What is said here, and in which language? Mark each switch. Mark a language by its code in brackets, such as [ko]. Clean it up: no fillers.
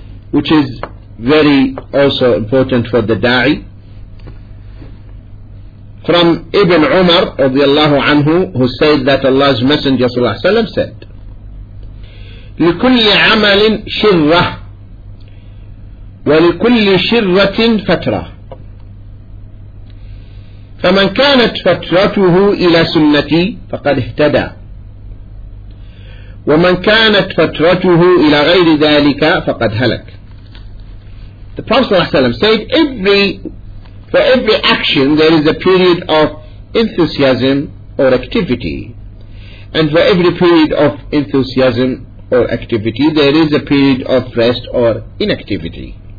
[en] Which is very also important for the da'i. From Ibn Umar radiallahu anhu, who said that Allah's Messenger sallallahu alayhi wa sallam said, [ar] لِكُلِّ عَمَلٍ شِرَّةٍ وَلِكُلِّ شِرَّةٍ فَتْرَةٍ فَمَنْ كَانَتْ فَتْرَتُهُ إِلَى سُنَّتِي فَقَدْ اهْتَدَى وَمَنْ كَانَتْ فَتْرَتُهُ إِلَى غَيْرِ ذَلِكَ فَقَدْ هَلَكَ. [en] The Prophet ﷺ said, for every action there is a period of enthusiasm or activity, and for every period of enthusiasm or activity there is a period of rest or inactivity.